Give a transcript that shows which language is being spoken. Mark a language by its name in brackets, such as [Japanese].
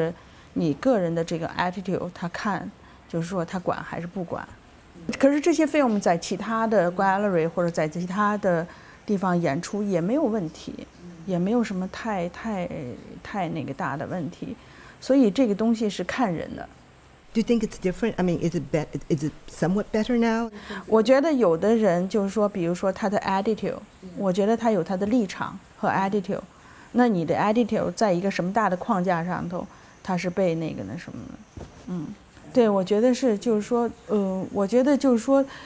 [Chinese] 但是到现在为止，就是说好些有一些人在做事情的时候，他们还是被就是政府管得很，就是监督得很紧。比如说立宪厅他们，然后他还没做展览就被关掉了，他现在还有这种情况。我觉得还是就是针对个人吧，就是针对你的就是你个人的这个 attitude， 他看就是说他管还是不管。可是这些费用在其他的 gallery 或者在其他的 地方演出也没有问题，也没有什么太那个大的问题，所以这个东西是看人的。Do [English] you think it's different? I mean, is it somewhat better now? [Chinese] 我觉得有的人就是说，比如说他的 attitude， 我觉得他有他的立场和 attitude， 那你的 attitude 在一个什么大的框架上头，他是被那个那什么的，对，我觉得是，就是说，我觉得就是说。